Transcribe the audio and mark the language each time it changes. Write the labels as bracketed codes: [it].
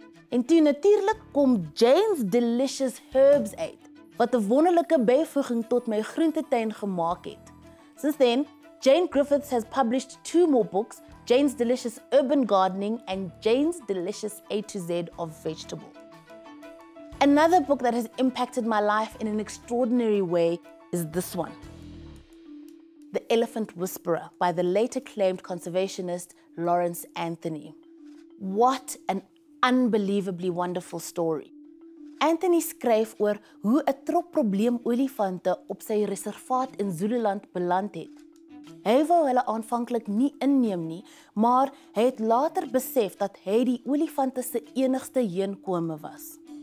[af] En toe natuurlik kom Jane's Delicious Herbs uit, wat 'n wonderlike byvoeging tot my groentetuin gemaak het. [en] Since then, Jane Griffiths has published 2 more books, Jane's Delicious Urban Gardening and Jane's Delicious A to Z of Vegetable. Another book that has impacted my life in an extraordinary way is this one. The Elephant Whisperer by the late acclaimed conservationist Lawrence Anthony. What an unbelievably wonderful story. [af] Anthony skryf oor hoe 'n trop probleemolifante op sy reservaat in Zululand beland het. Hy wou hulle aanvanklik nie inneem nie, maar hy het later besef dat hy die olifante se enigste heenkome was.